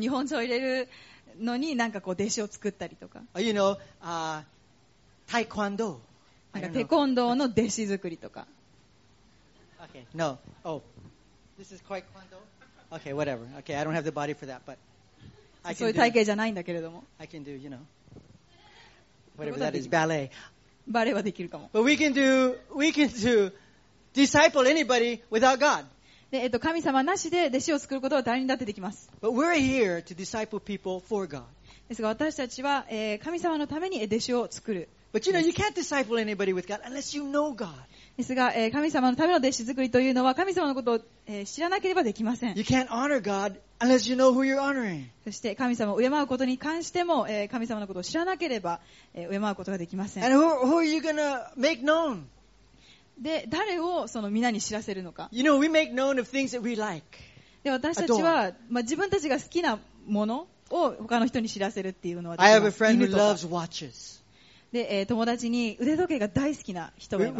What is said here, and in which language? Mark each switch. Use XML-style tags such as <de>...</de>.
<ja>日本茶を入れるのになんかこう弟子を作ったりとか。</ja> <en>You know, タイクワンドー。</en> <ja>なんかテコンドーの弟子作りとか。</ja> <en>Okay, no. Oh. This is quite kwando. Okay, whatever. Okay, I don't have the body for that, but I can do.</en> <ja>そういう体型じゃないんだけれども。</ja> <en>I can do, you know. Whatever that is, ballet.</en> <ja>バレーはできるかも。</ja> <en>But we can do disciple anybody without God.</en> <ja>で、神様なしで弟子を作ることは誰にだってできます。</ja> <en>But we're here to disciple people for God.</en> <ja>ですが私たちは神様のために弟子を作る。</ja> <en>But you know, you can't disciple anybody with God unless you know God.</en> <ja>ですが、神様のための弟子作りというのは神様のことを、知らなければできません。</ja> <en>You can't honor God unless you know who you're honoring.</en> <ja>そして神様を敬うことに関しても、神様のことを知らなければ、敬うことができません。</ja> <en>And who are you gonna make known?</en> <ja>で、誰をその皆に知らせるのか。</ja> <en>You know, we make known of things that we like.</en> <ja>で、私たちは、まあ、自分たちが好きなものを他の人に知らせるっていうのはできます。</ja> <en>I have a friend who loves watches.</en> <ja>で、友達に腕時計が大好きな人がいます。</ja>